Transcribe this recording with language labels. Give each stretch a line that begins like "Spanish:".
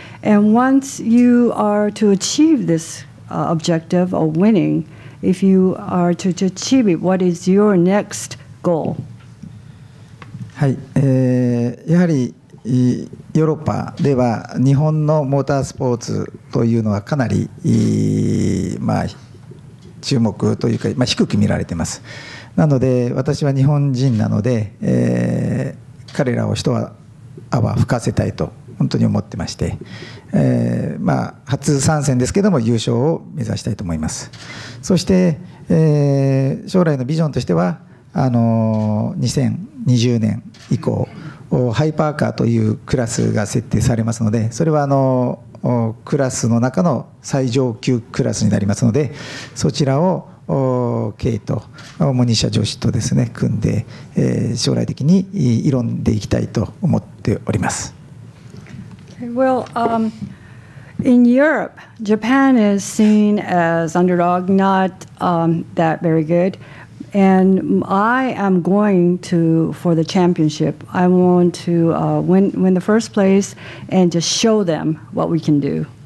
English: And once you are to achieve this objective of winning, if you are to achieve it, what is your next goal?
Japanese: はい、やはりヨーロッパでは日本のモータースポーツというのはかなり、まあ、注目というか、まあ、低く見られています。なので私は日本人なので、彼らを一泡吹かせたいと本当に思ってまして、まあ、初参戦ですけども優勝を目指したいと思います。そして、将来のビジョンとしては2020年以降ハイパーカーというクラスが設定されますので、それはクラスの中の最上級クラスになりますので、そちらをケイとモニシャ女子とですね組んで、将来的に挑んでいきたいと思っております。
English: Well, in Europe, Japan is seen as underdog, not that very goodAnd I am going to for the championship. I want to win the first place and just show them what we can do.